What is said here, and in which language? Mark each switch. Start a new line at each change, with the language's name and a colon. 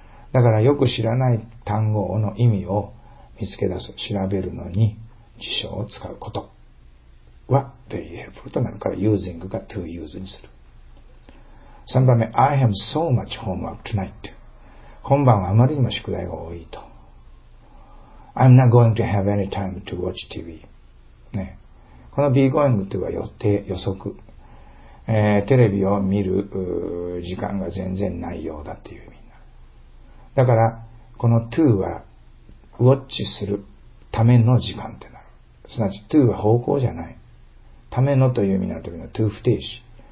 Japanese: だからよく知らない単語の意味を見つけ出す、調べるのに辞書を使うことは
English: very helpful
Japanese: となるから using が to use にする。
English: 3番目、I have so much homework tonight.
Japanese: 今晩はあまりにも宿題が多いと。
English: I'm not going to have any time to watch TV.、
Japanese: ね、この be going to は予定、予測。テレビを見る時間が全然ないようだっていう。だからこの to はウォッチするための時間ってなる。すなわち to は方向じゃない。ためのという意味になるときの to 不定詞。